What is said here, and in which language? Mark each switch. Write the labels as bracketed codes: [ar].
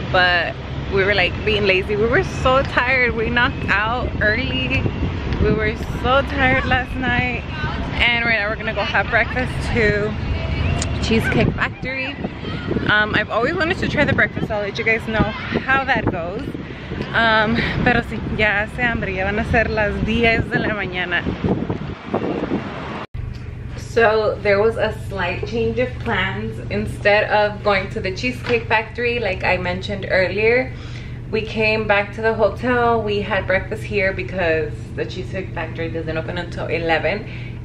[en] but we were like being lazy. We were so tired. We knocked out early. We were so tired last night. And right now we're gonna go have breakfast too. Cheesecake Factory. I've always wanted to try the breakfast. I'll let you guys know how that goes. [es] Pero sí, ya hace hambre. Ya van a ser las 10 de la mañana. [en] So there was a slight change of plans. Instead of going to the Cheesecake Factory, like I mentioned earlier, we came back to the hotel. We had breakfast here because the Cheesecake Factory doesn't open until 11.